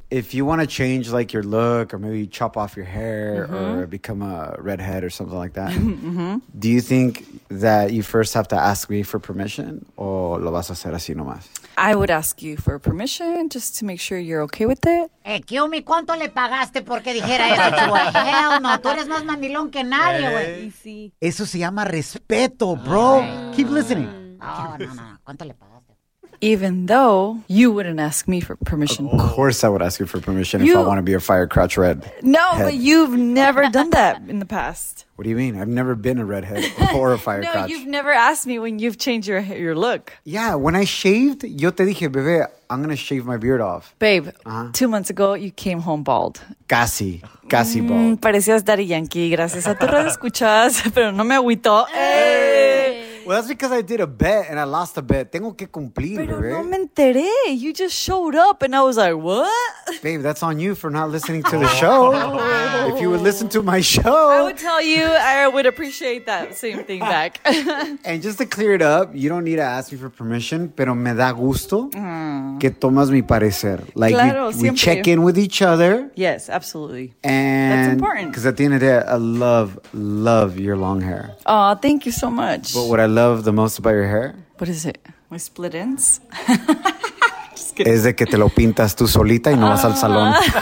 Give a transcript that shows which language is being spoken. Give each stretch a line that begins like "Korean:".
English: If you want to change, like, your look or maybe chop off your hair or become a redhead or something like that, do you think that you first have to ask me for permission or
Spanish: lo vas a hacer así nomás?
English: I would ask you for permission just to make sure you're okay with it.
Spanish: Kiomi, ¿cuánto le pagaste porque dijera eso, chua?
English: Hell no,
Spanish: tú eres más mandilón que nadie, güey. Eso se llama respeto, bro.
English: Keep listening.
Spanish: No, ¿cuánto le pagaste?
English: Even though you wouldn't ask me for permission. Of course I would ask you for permission if I want to be a fire crotch red. No, but you've never done that in the past. What do you mean? I've never been a redhead or a fire crotch. No, you've never asked me when you've changed your look. Yeah, when I shaved,
Spanish: yo te dije, bebé,
English: I'm going to shave my beard off. Babe, 2 months ago, you came home bald.
Spanish: Casi bald. Parecías Daddy Yankee. Gracias a tu red escuchas, pero no me agüito.
English: Well, that's because I did a bet, and I lost a bet.
Spanish: Tengo que cumplir, pero bebé. No me enteré.
English: You just showed up, and I was like, what? Babe, that's on you for not listening to the show. If you would listen to my show. I would tell you I would appreciate that same thing back. And just to clear it up, you don't need to ask me for permission,
Spanish: pero me da gusto que tomas mi parecer.
English: Like,
Spanish: claro,
English: we check in with each other. Yes, absolutely. And that's important. Because at the end of the day, I love your long hair. Oh, thank you so much. But what I love the most about your hair? What is it? My split ends?
Spanish: Es de que te lo pintas tú solita y no vas al salón.